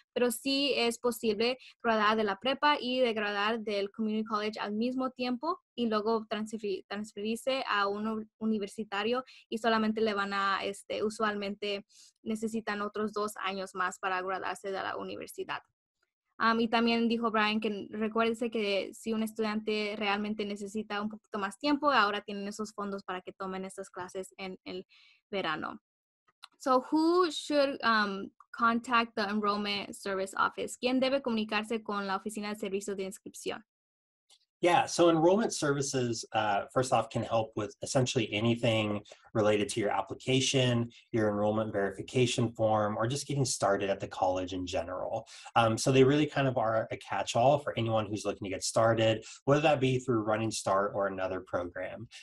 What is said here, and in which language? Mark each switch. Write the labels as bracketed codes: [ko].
[es] Pero sí es posible graduar de la prepa y de graduar del Community College al mismo tiempo y luego transferirse a un universitario y solamente le van a, usualmente necesitan otros 2 años más para graduarse de la universidad. Y también dijo Brian que recuérdese que si un estudiante realmente necesita un poquito más tiempo, ahora tienen esos fondos para que tomen estas clases en el verano. [en] So, who should contact the Enrollment Service Office? [es] ¿Quién debe comunicarse con la Oficina de Servicios de Inscripción? [en] Yeah, so enrollment services, first off, can help with essentially anything related to your application, your enrollment verification form, or just getting started at the college in general. So they really kind of are a catch-all for anyone who's looking to get started, whether that be through Running Start or another program.